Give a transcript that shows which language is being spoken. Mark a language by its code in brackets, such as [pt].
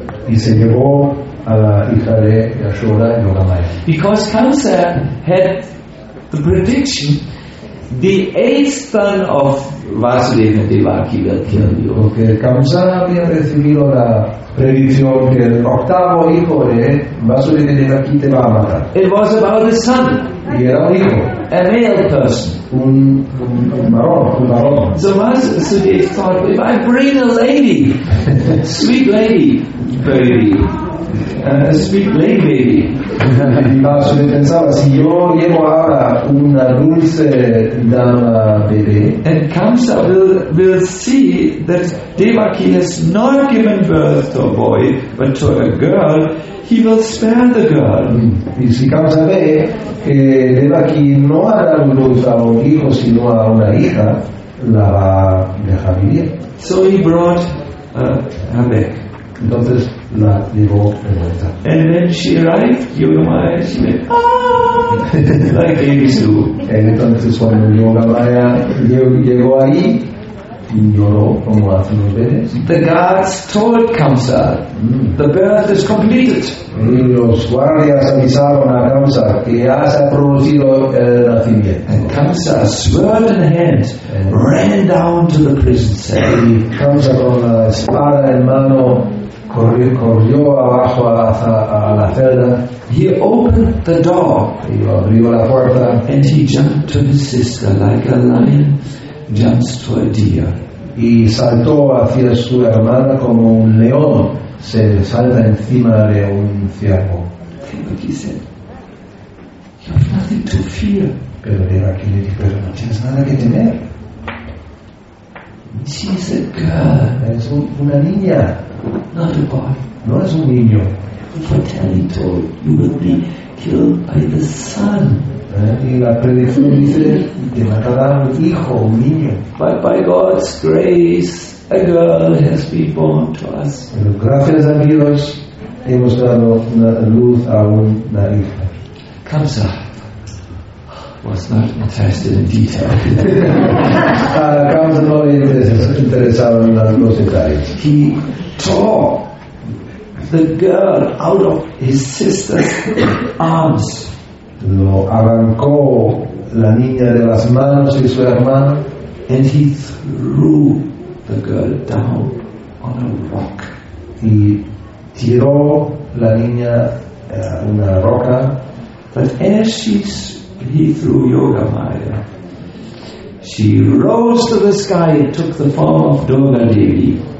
[es] Y se llevó a la hija de Yashoda, Yogamaya. [en] Because Kamsa had the prediction, the eighth son of Vasudeva Devaki will kill you. [es] Porque Kamsa había recibido la predicción que el octavo hijo de Vasudeva Devaki te va a matar. [en] It was about his son. [es] Y era un hijo. [en] A male person. [es] Un varón. [en] So Vasudeva thought, if I bring a lady, sweet lady, baby, a sweet lady baby. [es] Y Vasudeva pensaba, si yo llevo ahora una dulce dama bebé, [en] and Kamsa will see that Devaki has not given birth to a boy but to a girl, he will spare the girl. [es] Y si Kamsa ve que Devaki no ha dado luz a un hijo sino a una hija, la deja vivir. [en] So he brought her back. [es] Entonces la llevó de vuelta. [en] And then she arrived, Yogamaya, she went, ah, like babies do. [es] Entonces cuando Yogamaya llegó ahí, lloró como hace unos bebés. [en] The guards told Kamsa, the birth is completed. [es] Y los guardias avisaron a Kamsa que ya se ha producido el nacimiento. [en] And Kamsa, sword in hand, ran down to the prison cell. [es] Y Kamsa con la espada en mano corrió abajo a la celda. [en] He opened the door. [es] Y abrió la puerta. [en] And he jumped to his sister like a lion jumps to a deer. [es] Y saltó hacia su hermana como un león se salta encima de un ciervo. [en] Devaki said, you have nothing to fear. [es] Pero Devaki le dijo, pero no tienes nada que temer. [en] She's a girl. [es] Es una niña. [en] Not a boy. [es] No es un niño. [en] Fatally told, you will be killed by the sun. [es] Y la predicción dice, te matará un hijo, un niño. [en] But by God's grace, a girl has been born to us. [es] Pero gracias a Dios, hemos dado una luz a una hija. [en] Kamsa was not interested in detail. [es] Kamsa no interesado en los detalles. [en] He tore the girl out of his sister's arms. [es] Lo arrancó la niña de las manos de su hermano. [en] And he threw the girl down on a rock. [es] Y tiró la niña a una roca. [en] But as he threw Yogamaya, she rose to the sky and took the form of Durga Devi.